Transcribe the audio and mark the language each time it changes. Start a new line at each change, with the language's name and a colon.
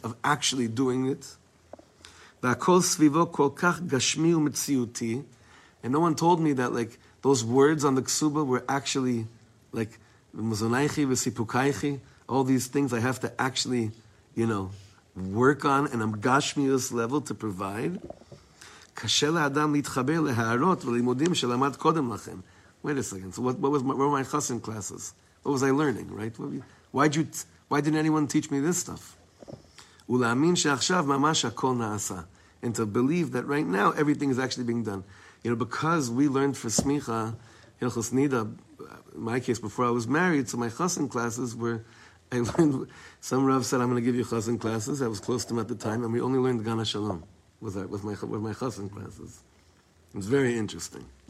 English: Of actually doing it.
Hebrew: V'akol svivo kol kach gashmi u'mitziuti,
English: and no one told me that like those words on the ksuba were actually like
Hebrew: muzonaychi v'sipukaychi,
English: all these things I have to actually, you know, work on and I'm gashmius level to provide.
Hebrew: קשה לאדם להתחבר להערות ולימודים שלמד קודם לכם.
English: Wait a second. So what were my chassin classes? What was I learning, right? Why didn't anyone teach me this stuff?
Hebrew: ולהאמין שעכשיו ממש הכל נעשה.
English: And to believe that right now everything is actually being done. You know, because we learned for smicha, hilchos nida, in my case, before I was married, so my chassin classes were, I learned, some rav said, I'm going to give you chassin classes. I was close to him at the time, and we only learned Gan HaShalom. With my chassan classes. It's very interesting.